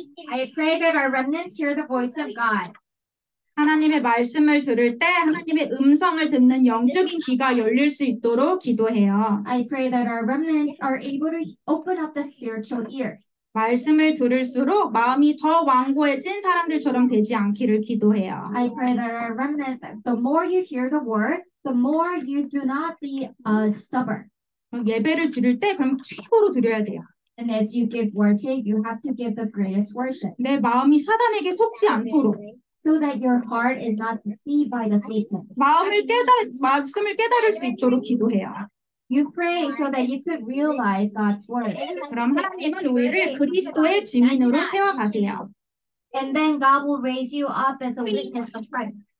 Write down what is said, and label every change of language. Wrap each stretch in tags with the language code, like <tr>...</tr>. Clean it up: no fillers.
<en>I pray that our remnants hear the voice of God.</en> <ko>하나님의 말씀을 들을 때 하나님의 음성을 듣는 영적인 귀가 열릴 수 있도록 기도해요.</ko> <en>I pray that our remnants are able to open up the spiritual ears.</en> <ko>말씀을 들을수록 마음이 더 완고해진 사람들처럼 되지 않기를 기도해요.</ko> <en>I pray that our remnants, the more you hear the word, the more you do not be stubborn.</en> <ko>예배를 드릴 때 그럼 최고로 드려야 돼요.</ko> <en>And as you give worship, you have to give the greatest worship.</en> <ko>내 마음이 사단에게 속지 않도록.</ko> <en>So that your heart is not deceived by the Satan.</en> <ko>말씀을 깨달을 수 있도록 기도해요.</ko> <en>You pray so that you could realize God's word.</en> <ko>그럼 하나님은 우리를 그리스도의 증인으로 세워 가세요.</ko> <en>And then God will raise you up as a witness of Christ.</en>